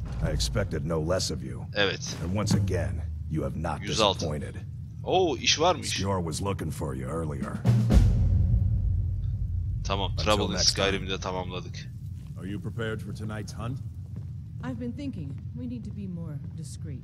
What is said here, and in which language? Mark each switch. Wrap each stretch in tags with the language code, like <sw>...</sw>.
<en>I expected no less of you.</en> <tr>Evet.</tr> <en>And once again, you have not disappointed.</en> <tr>Oo, iş varmış.</tr> <en>Skior was looking for you earlier.</en> <tr>Tamam, Trouble in Skyrim'i de tamamladık.</tr> <en>Are you prepared for tonight's hunt? I've been thinking we need to be more discreet.</en>